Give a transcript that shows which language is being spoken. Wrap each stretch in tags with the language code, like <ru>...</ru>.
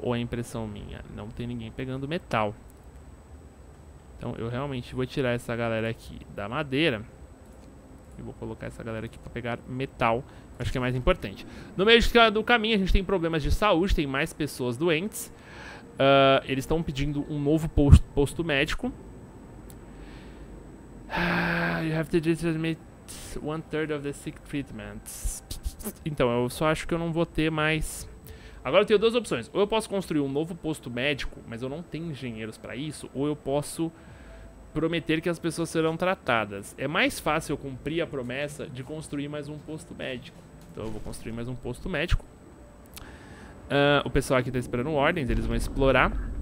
<pt>Ou é impressão minha? Não tem ninguém pegando metal. Então eu realmente vou tirar essa galera aqui da madeira. E vou colocar essa galera aqui pra pegar metal. Acho que é mais importante. No meio do caminho a gente tem problemas de saúde. Tem mais pessoas doentes. Eles estão pedindo um novo posto médico.</pt> <en>You have to transmit 1/3 of the sick treatments.</en> <pt>Então, eu só acho que eu não vou ter mais. Agora eu tenho 2 opções. Ou eu posso construir um novo posto médico, mas eu não tenho engenheiros pra isso. Ou eu posso prometer que as pessoas serão tratadas. É mais fácil eu cumprir a promessa de construir mais um posto médico. Então eu vou construir mais um posto médico. O pessoal aqui tá esperando ordens. Eles vão explorar.</pt>